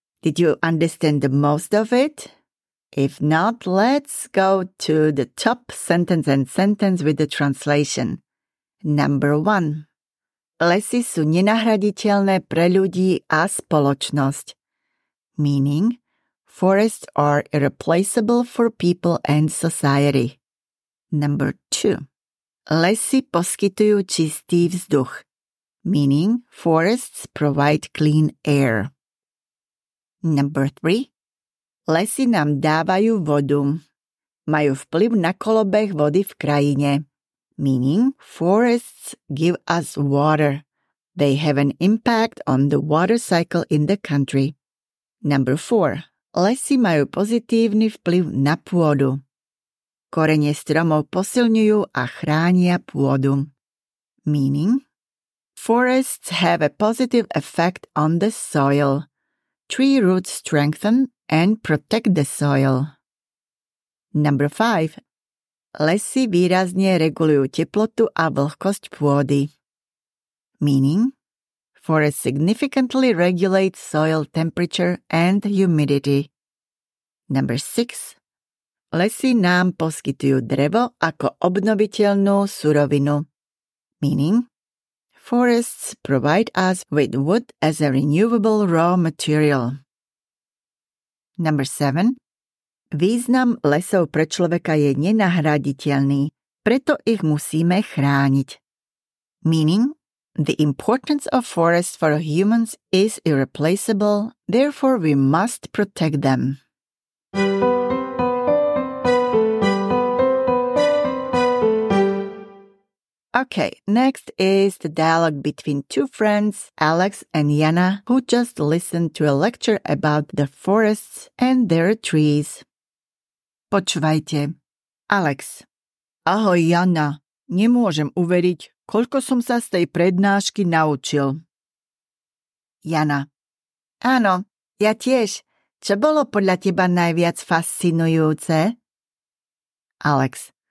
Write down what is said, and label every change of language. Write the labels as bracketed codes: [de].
[en] Did you understand the most of it? If not, let's go to the top sentence and sentence with the translation. Number 1. [sk] Lesy sú nenahraditeľné pre ľudí a spoločnosť. [en] Meaning, forests are irreplaceable for people and society. Number 2. [sk] Lesy poskytujú čistý vzduch. [en] Meaning, forests provide clean air. Number 3. [sk] Lesy nám dávajú vodu. Majú vplyv na kolobeh vody v krajine. [en] Meaning, forests give us water. They have an impact on the water cycle in the country. Number 4. [sk] Lesy majú pozitívny vplyv na pôdu. Korenie stromov posilňujú a chránia pôdu. [en] Meaning, forests have a positive effect on the soil. Tree roots strengthen and protect the soil. Number 5. [sk] Lesy výrazne regulujú teplotu a vlhkosť pôdy. [en] Meaning, forests significantly regulate soil temperature and humidity. Number 6. [sk] Lesy nám poskytujú drevo ako obnoviteľnú surovinu. [en] Meaning, forests provide us with wood as a renewable raw material. Number 7. [sk] Význam lesov pre človeka je nenahraditeľný, preto ich musíme chrániť. [en] Meaning, the importance of forests for humans is irreplaceable, therefore we must protect them. Okay, next is the dialogue between two friends, Alex and Jana, who just listened to a lecture about the forests and their trees. [sk] Počúvajte. Alex. Ahoj, Jana. Nemôžem uveriť, koľko som sa z tej prednášky naučil. Jana. Áno, ja tiež. Čo bolo podľa teba najviac fascinujúce? Alex.